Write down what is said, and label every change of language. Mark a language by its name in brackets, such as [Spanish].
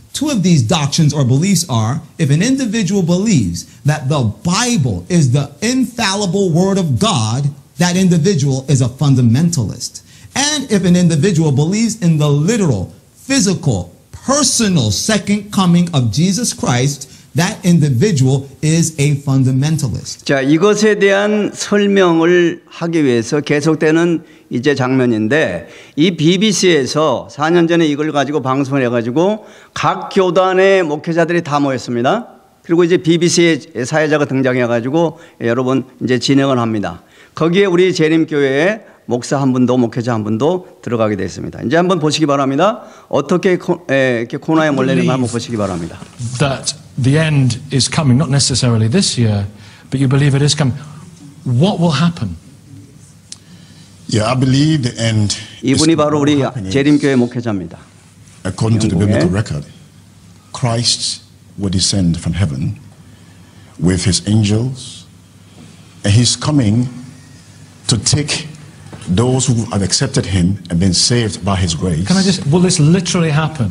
[English] Two of these doctrines or beliefs are, if an individual believes that the Bible is the infallible word of God, that individual is a fundamentalist. And if an individual believes in the literal, physical, personal second coming of Jesus Christ, that individual is a fundamentalist. [Korean] 자, 이것에 대한 설명을 하기 위해서 계속되는 이제 장면인데 이 BBC에서 4년 전에 이걸 가지고 방송을 해가지고 각 교단의 목회자들이 다 모였습니다. 그리고 이제 BBC의 사회자가 등장해가지고 여러분 이제 진행을 합니다. 거기에 우리 재림교회에 목사 한 분도 목회자 한 분도 들어가게 되었습니다. 이제 한번 보시기 바랍니다. 어떻게 이렇게 코너에 몰리는가 한번 보시기 바랍니다. [English] That the end is coming, not necessarily this year, but you believe it is coming. What will happen? Yeah, I believe the end. [Korean] 이분이 바로 우리 재림교회 목회자입니다. [English] According to the biblical record, Christ will descend from heaven with his angels, and he's coming to take those who have accepted him and been saved by his grace. Can I just, will this literally happen?